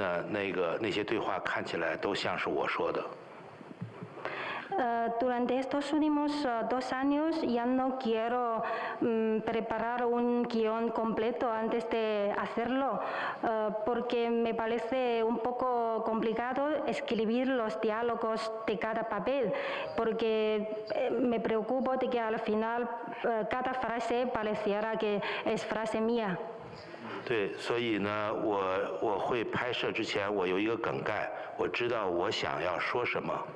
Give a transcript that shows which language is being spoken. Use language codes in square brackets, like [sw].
[zh] 我最近这两年拍片子，我都不愿意写出完整的剧本，因为呢，完整的剧本就变成我要去写每一个人物的对话。我自己觉得，我很担心呢，那些对话看起来都像是我说的。 [es] Durante estos últimos dos años ya no quiero preparar un guión completo antes de hacerlo, porque me parece un poco complicado escribir los diálogos de cada papel, porque me preocupo de que al final cada frase pareciera que es frase mía. [zh] 对，所以呢，我会拍摄之前，我有一个梗概，我知道我想要说什么。